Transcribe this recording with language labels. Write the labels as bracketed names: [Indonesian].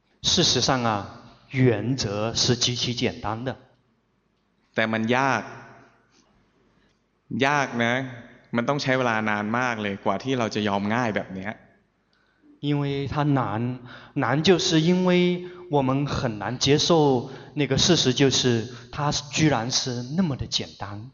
[Chinese] 事实上啊原则是极其简单的 [Thai] แต่มันยากนะมันต้องใช้เวลานานมากเลยกว่าที่เราจะยอมง่ายแบบเนี้ย [Chinese] 因为它难就是因为我们很难接受那个事实就是它居然是那么的简单